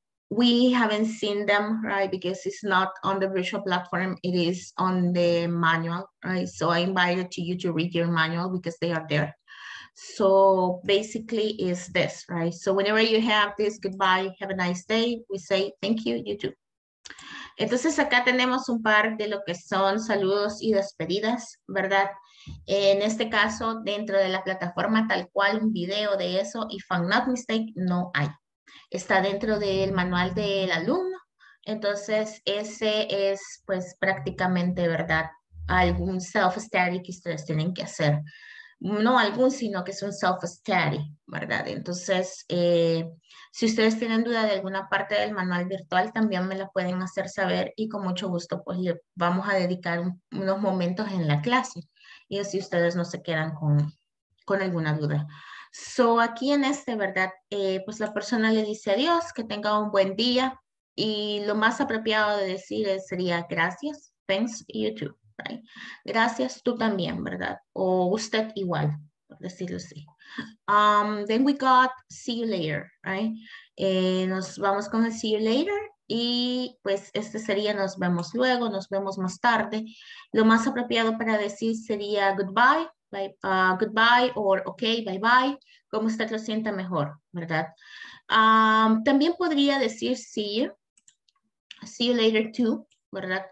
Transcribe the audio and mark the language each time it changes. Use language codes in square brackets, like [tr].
[en] We haven't seen them, right? Because it's not on the virtual platform, it is on the manual, right? So I invited you to read your manual because they are there. So basically is this, right? So whenever you have this goodbye, have a nice day, we say thank you, you too. [es] Entonces acá tenemos un par de lo que son saludos y despedidas, ¿verdad? En este caso, dentro de la plataforma, tal cual, un video de eso, [en] if I'm not mistaken, [es] no hay. Está dentro del manual del alumno. Entonces, ese es, pues, prácticamente, ¿verdad?, algún self-study que ustedes tienen que hacer. No algún, sino que es un self-study, ¿verdad? Entonces, si ustedes tienen duda de alguna parte del manual virtual, también me la pueden hacer saber y con mucho gusto, pues, le vamos a dedicar unos momentos en la clase. Y así ustedes no se quedan con alguna duda. So, aquí en este, ¿verdad? Pues la persona le dice adiós, que tenga un buen día. Y lo más apropiado de decir sería gracias, [en] thanks, you too, right? [es] Gracias, tú también, ¿verdad? O usted igual, por decirlo así. [en] Then we got see you later, right? [es] Nos vamos con el [en] see you later. [es] Y pues este sería nos vemos luego, nos vemos más tarde. Lo más apropiado para decir sería goodbye, goodbye o ok, bye bye, como usted lo sienta mejor, ¿verdad? También podría decir see you later too, ¿verdad?